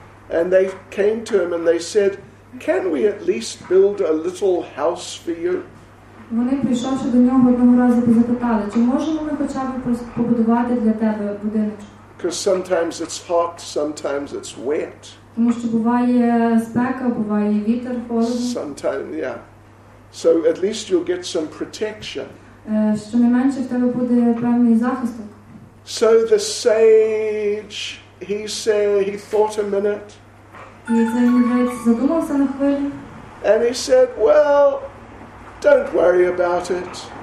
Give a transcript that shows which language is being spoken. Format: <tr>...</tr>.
<en>And they came to him and they said, "Can we at least build a little house for you?"</en> <uk>Вони прийшовши до нього одного разу, запитали, чи можемо ми хоча б побудувати для тебе будиночок?</uk> <en>Because sometimes it's hot, sometimes it's wet.</en> <uk>Тому що буває спека, буває вітер, холодно.</uk> <en>Sometimes, yeah. So at least you'll get some protection.</en> <uk>Що не менше в тебе буде певний захист.</uk> <en>So the sage, he said, he thought a minute. And he said, "Well, don't worry about it.</en>